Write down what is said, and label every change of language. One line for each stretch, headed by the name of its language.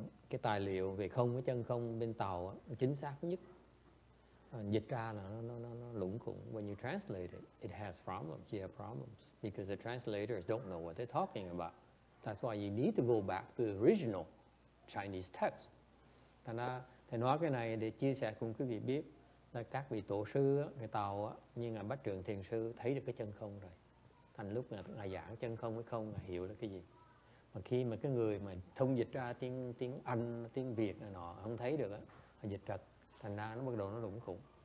Vietnamese: Cái tài liệu về không với chân không bên Tàu chính xác nhất. Dịch ra là nó lủng củng.
English: When you translate it, it has problems. You have problems because the translators don't know what they're talking about. That's why you need to go back to the original Chinese text.
Vietnamese: Thành ra, thầy nói cái này để chia sẻ cùng quý vị biết là các vị tổ sư, người Tàu, như Ngài Bách Trượng Thiền Sư thấy được cái chân không rồi. Thành lúc Ngài giảng chân không với không, Ngài hiểu là cái gì. Mà khi mà cái người mà thông dịch ra tiếng Anh, tiếng Việt này nọ không thấy được á, dịch trật, thành ra nó bắt đầu nó lủng khủng.